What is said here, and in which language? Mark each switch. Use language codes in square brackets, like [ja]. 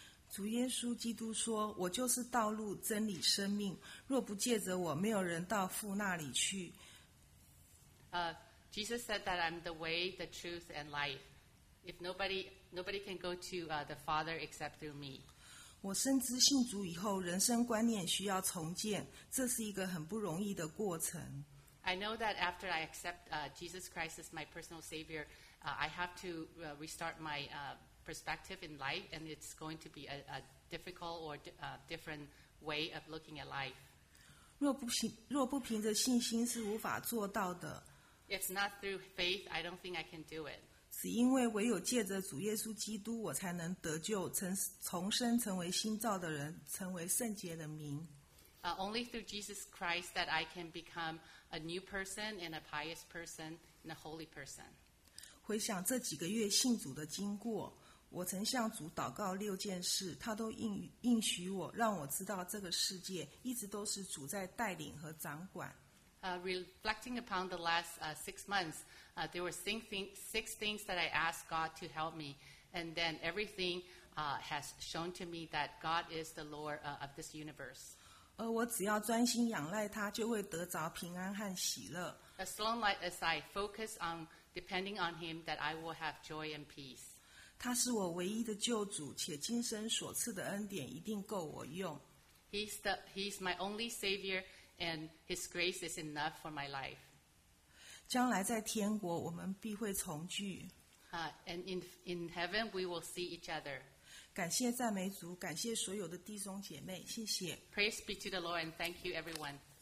[zh] 主耶稣基督说，我就是道路、真理、生命，若不借着我，没有人到父那里去。 [en] Jesus said that I'm the way, the truth, and life. If nobody can go to the Father except through me. [zh] 我深知信主以后，人生观念需要重建，这是一个很不容易的过程。 [en] I know that after I accept Jesus Christ as my personal Savior, I have to restart my perspective in life, and it's going to be a difficult or different way of looking at life. [zh] 若不凭着信心是无法做到的。 [en] It's not through faith. I don't think I can do it. [zh] 是因为唯有借着主耶稣基督，我才能得救，重生，成为新造的人，成为圣洁的民。 [en] Only through Jesus Christ that I can become a new person and a pious person and a holy person. [zh] 回想这几个月信主的经过，我曾向主祷告六件事，他都应许我，让我知道这个世界一直都是主在带领和掌管。 [en] Reflecting upon the last six months, there were six things that I asked God to help me, and then everything has shown to me that God is the Lord of this universe. [zh] 我只要专心仰赖他，就会得着平安和喜乐。 [en] As long as I focus on depending on Him, that I will have joy and peace. [zh] 他是我唯一的救主，且今生所赐的恩典一定够我用。 [en] He's my only Savior. And His grace is enough for my life. [zh] 将来在天国，我们必会重聚。 [en] And in heaven, we will see each other. [zh] 感谢赞美主，感谢所有的弟兄姐妹，谢谢。 [en] Praise be to the Lord, and thank you, everyone.